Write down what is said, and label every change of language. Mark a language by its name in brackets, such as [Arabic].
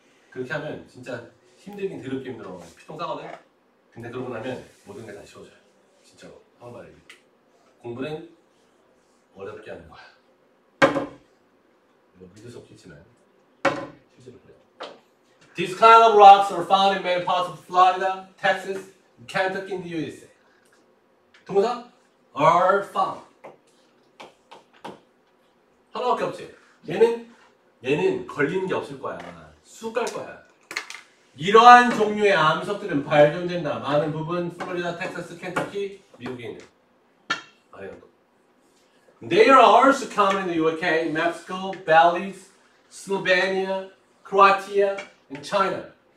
[Korean] 그렇게 하면 진짜 힘들긴 드럽게 힘들어. 피통 싸거든? 근데 그러고 나면 모든 게 다 쉬워져요. 진짜로. 한 번 말해. 공부는 어렵게 하는 거야. 이거 믿을 수 없겠지만 실제로 그래. [English] These kind of rocks are found in many parts of Florida, Texas, and Kentucky in the USA. [Korean] 동사? [English] Are found. [Korean] 하나밖에 없지. 얘는 걸리는 게 없을 거야. 쑥 갈 거야. 이러한 종류의 암석들은 발견된다. 많은 부분 플로리다, 텍사스, 켄터키, 미국에 있는. 아니요. [English] They are also common in the UK, Mexico, Belize, Slovenia, Croatia, and China.